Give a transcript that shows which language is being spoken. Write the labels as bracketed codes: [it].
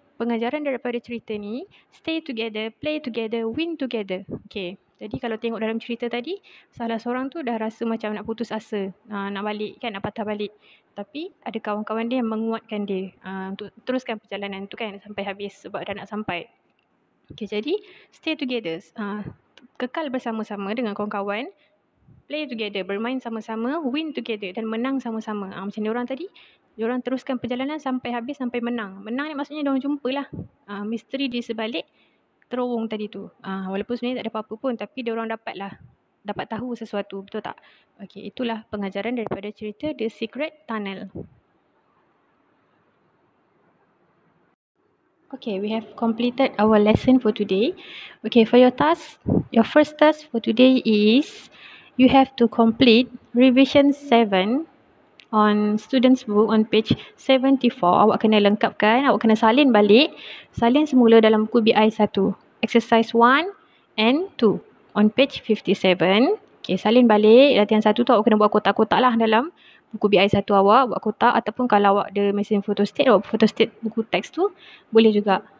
[ms] Pengajaran daripada cerita ni, [en] stay together, play together, win together. [ms] Okay, jadi kalau tengok dalam cerita tadi, salah seorang tu dah rasa macam nak putus asa. Nak balik kan, nak patah balik. Tapi ada kawan-kawan dia yang menguatkan dia untuk teruskan perjalanan tu kan sampai habis sebab dah nak sampai. Okay, jadi [en] stay together. [ms] Kekal bersama-sama dengan kawan-kawan. [en] Play together, [ms] bermain sama-sama, [en] win together [ms] dan menang sama-sama. Macam diorang tadi, diorang teruskan perjalanan sampai habis sampai menang. Menang ni maksudnya diorang jumpalah misteri di sebalik terowong tadi tu. Walaupun sebenarnya tak ada apa-apa pun, tapi diorang dapat tahu sesuatu, betul tak? Okay, itulah pengajaran daripada cerita The Secret Tunnel. [en] Okay, we have completed our lesson for today. Okay, for your task, your first task for today is you have to complete revision 7 on student's book on page 74. [ms] Awak kena lengkapkan, awak kena salin balik. Salin semula dalam buku BI 1. [en] Exercise 1 and 2 on page 57. [ms] Okay, salin balik. Latihan 1 tu awak kena buat kotak-kotak lah dalam buku BI 1 awak, buat kotak ataupun kalau awak ada mesin photostat, awak photostat buku teks tu boleh juga.